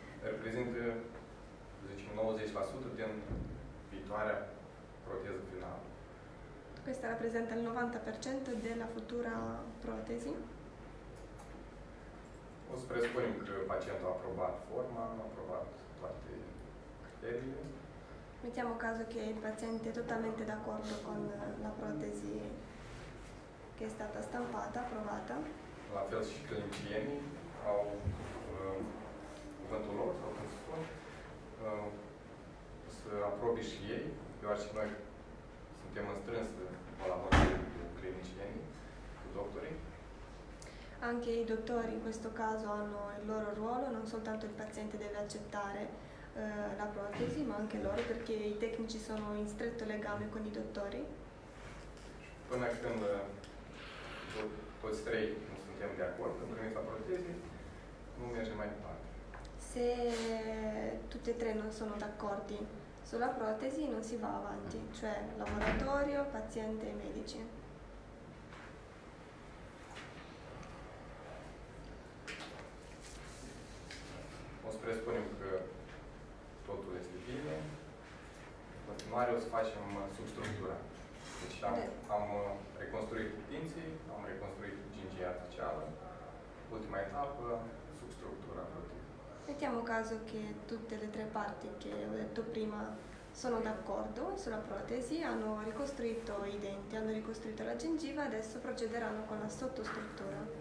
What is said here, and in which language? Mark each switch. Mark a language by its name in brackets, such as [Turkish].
[Italian] Rappresenta 90% della [Romanian] viitoarea [Italian] protesi finale. Questa rappresenta il 90% della futura protesi. [Romanian] O să presupunem că pacientul a aprobat forma, a aprobat toate criteriile. [Italian] Mettiamo caso che il paziente è totalmente d'accordo con la protesi che è stata stampata, approvata. [Romanian] La fel și clinicienii au cuvântul lor, sau cum se spun, să aprobe și ei, deoarece noi suntem în strâns [Italian] collaborare con clinicieni, con dottori. Anche i dottori in questo caso hanno il loro ruolo, non soltanto il paziente deve accettare la protesi, ma anche loro, perché i tecnici sono in stretto legame con i dottori. [Romanian] Până când toți trei nu suntem de acord cu primita protezii, nu mergem mai departe. [Italian] Se tutte e tre non sono d'accordo sulla protesi, non si va avanti, cioè laboratorio, paziente e medici. [Romanian] O să presupunem că totul este bine. În continuare o să facem substructura. Deci am reconstruit dinții, am reconstruit gingia tracheală. Ultima etapă, substructura proteică. [Italian] Mettiamo caso che tutte le tre parti che ho detto prima sono d'accordo sulla protesi, hanno ricostruito i denti, hanno ricostruito la gengiva, adesso procederanno con la sottostruttura.